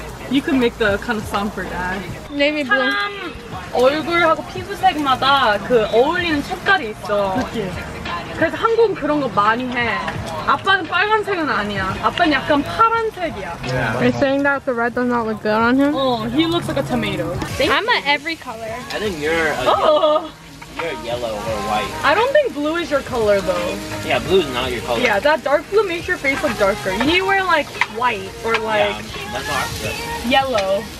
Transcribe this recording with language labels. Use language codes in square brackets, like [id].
[en] You can make the kind of sound for that. Navy blue. [ko] 얼굴하고 피부색마다 그 어울리는 색깔이 있어. 그래서 한국은 그런 거 많이 해. 아빠는 빨간색은 아니야. 아빠는 약간 파란색이야. [en] You're saying that the red does not look good on him? Oh, he looks like a tomato. I'm a every color. I think you're a yellow or white. I don't think blue is your color though. Yeah, blue is not your color. Yeah, that dark blue makes your face look darker. You need to wear like white or like yellow.